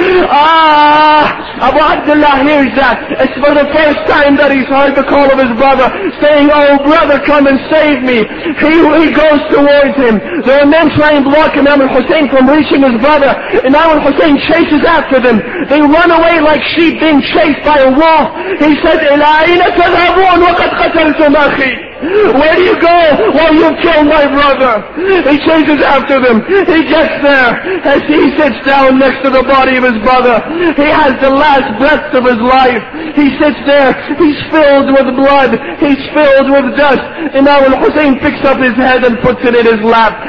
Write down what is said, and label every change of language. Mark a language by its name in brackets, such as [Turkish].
[English] Ah, Abu Abdullah hears that. It's for the first time that he's heard the call of his brother, saying, oh brother, come and save me. He goes towards him. There are men trying to block Imam al-Hussein from reaching his brother. Imam al-Hussein chases after them. They run away like sheep being chased by a wolf. He says, [Arabic] إِلَىٰ أَيْنَ تَذْهَبُونَ وَقَدْ قَتَلْتُمْ أَخِي. [English] Where do you go? Well, you've killed my brother. He chases after them. He gets there. As he sits down next to the body of his brother, he has the last breath of his life. He sits there. He's filled with blood. He's filled with dust. And now al-Hussein picks up his head and puts it in his lap.